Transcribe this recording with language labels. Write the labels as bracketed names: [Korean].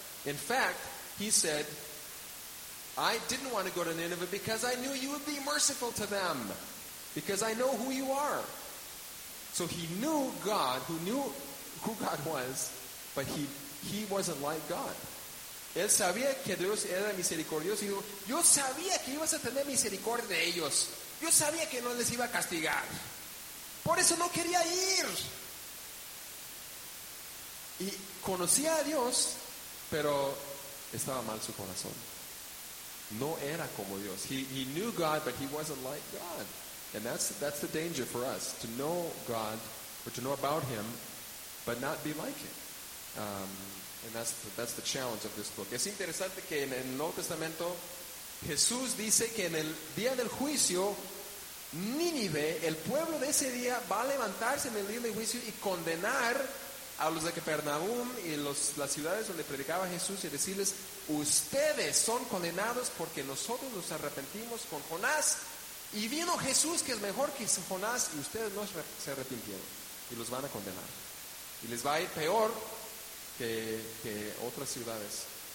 [English] In fact, he said, I didn't want to go to Nineveh because I knew you would be merciful to them, because I know who you are. So he knew God, who knew who God was, but he wasn't like God. [Spanish] Él sabía que Dios era misericordioso y dijo, yo sabía que ibas a tener misericordia de ellos. Yo sabía que no les iba a castigar. Por eso no quería ir. Y conocía a Dios, pero estaba mal su corazón. No era como Dios. [English] He knew God, but he wasn't like God. And that's the danger for us, to know God or to know about him, but not be like him. And that's the challenge of this book. [Spanish] Es interesante que en el Nuevo Testamento Jesús dice que en el día del juicio Nínive, el pueblo de ese día, va a levantarse en el día del juicio y condenar a los de Capernaum y las ciudades donde predicaba Jesús y decirles, ustedes son condenados porque nosotros nos arrepentimos con Jonás y vino Jesús que es mejor que Jonás y ustedes no se arrepintieron y los van a condenar y les va a ir peor que otras ciudades.